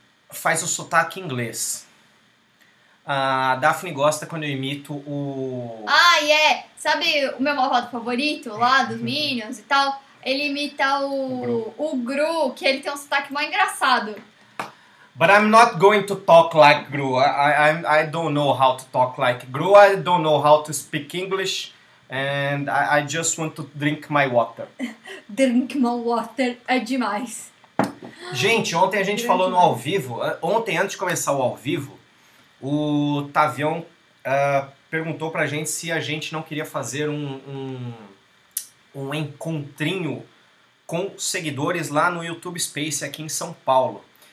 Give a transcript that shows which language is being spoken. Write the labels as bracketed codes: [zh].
[pt] Faz o sotaque inglês. A Daphne gosta quando eu imito o... Ah, é! Yeah. Sabe o meu malvado favorito lá, dos Minions e tal? Ele imita o Gru, que ele tem um sotaque mó engraçado. [en] But I'm not going to talk like Gru. I don't know how to talk like Gru. I don't know how to speak English. And I just want to drink my water. Drink my water [pt] é demais. Gente, ontem a gente falou no ao vivo. Ontem, antes de começar o ao vivo... O Tavião perguntou pra gente se a gente não queria fazer um encontrinho com seguidores lá no YouTube Space aqui em São Paulo.